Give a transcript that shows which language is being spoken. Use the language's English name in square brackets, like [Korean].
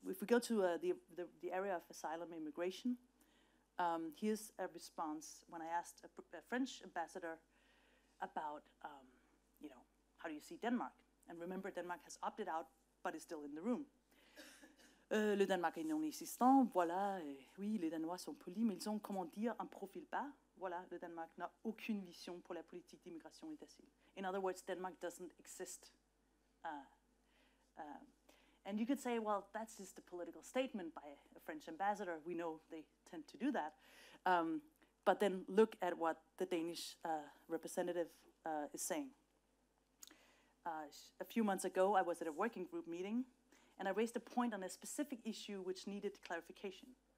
[English] If we go to the area of asylum immigration, here's a response when I asked a French ambassador about, how do you see Denmark? And remember, Denmark has opted out, but is still in the room. [French] Le Danemark est non existant, voilà. Oui, les Danois sont polis, mais ils ont, comment dire, un profil bas. Voilà, le Danemark n'a aucune vision pour la politique d'immigration et d'asile. [English] In other words, Denmark doesn't exist. And you could say, well, that's just a political statement by a French ambassador. We know they tend to do that. But then look at what the Danish representative is saying. A few months ago, I was at a working group meeting, and I raised a point on a specific issue which needed clarification.